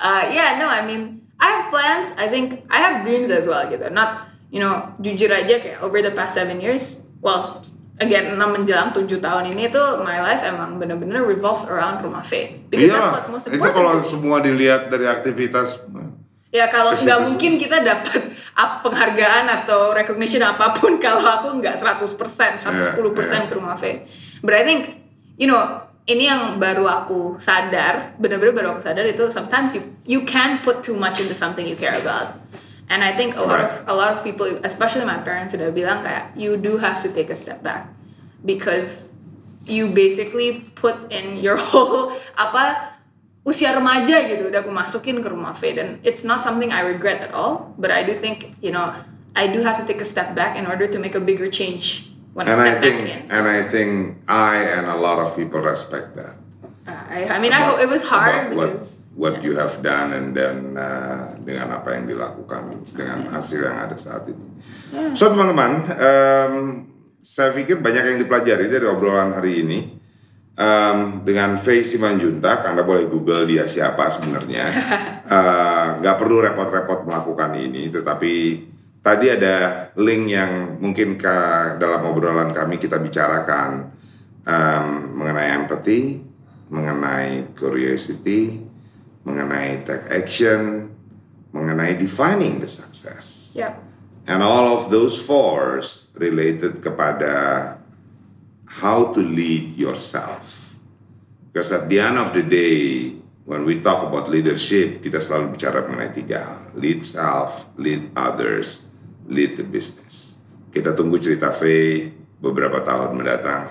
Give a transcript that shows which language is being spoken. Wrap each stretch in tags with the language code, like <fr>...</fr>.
<en>Yeah no I mean I have plans, I think I have dreams as well</en> <id>gitu.</id> <en>Not you know</en> <id>jujur aja kayak</id> <en>over the past 7 years, well again 6</en> <id>menjelang 7 tahun ini tuh</id> <en>my life</en> <id>emang benar-benar</id> <en>revolve around rumah Faye. Because</en> <id>iyalah,</id> <en>that's what's most important.</en> <id>Itu kalau semua dilihat dari aktivitas. Ya kalau nggak mungkin kita dapat penghargaan atau recognition apapun kalau aku nggak 100%, 110% ke rumah Faye.</id> <en>But I think you know</en> <id>ini yang baru aku sadar, benar-benar baru aku sadar itu</id> <en>sometimes you can put too much into something you care about. And I think a lot of people, especially my parents,</en> <id>sudah bilang kayak</id> <en>you do have to take a step back because you basically put in your whole</en> <id>apa usia remaja gitu udah aku masukin ke rumah Faye,</id> <en>and it's not something I regret at all, but I do think you know I do have to take a step back in order to make a bigger change. And I think, I and a lot of people respect that. I hope it was hard. About what you have done, and then</en> <id>dengan apa yang dilakukan, dengan hasil yang ada saat ini.</id> <en>Yeah. So</en> <id>teman-teman, saya pikir banyak yang dipelajari dari obrolan hari ini dengan Faye Simanjuntak. Anda boleh Google dia siapa sebenarnya. Gak perlu repot-repot melakukan ini, tetapi tadi ada link yang mungkin ke dalam obrolan kami kita bicarakan mengenai empathy, mengenai curiosity, mengenai</id> <en>take action,</en> <id>mengenai</id> <en>defining the success. Yep. And all of those fours related</en> <id>kepada</id> <en>how to lead yourself. Because at the end of the day, when we talk about leadership,</en> <id>kita selalu bicara mengenai tiga,</id> <en>lead self, lead others, lead the business.</en> <id>Kita tunggu cerita Faye beberapa tahun mendatang.</id>